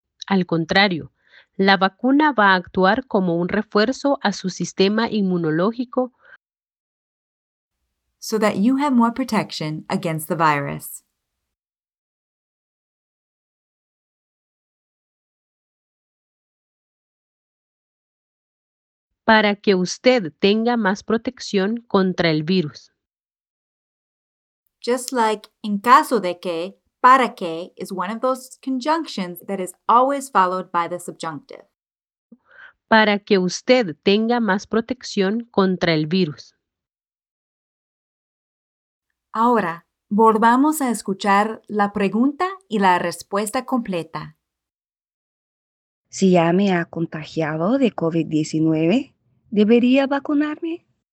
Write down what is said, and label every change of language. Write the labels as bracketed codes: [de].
[es] Al contrario, la vacuna va a actuar como un refuerzo a su sistema inmunológico. [en] So that you have more protection against the virus. [es] Para que usted tenga más protección contra el virus. [en] Just like [es] en caso de que. [en] Para que is one of those conjunctions that is always followed by the subjunctive. [es] Para que usted tenga más protección contra el virus. Ahora, volvamos a escuchar la pregunta y la respuesta completa. Si ya me ha contagiado de COVID-19, ¿debería vacunarme?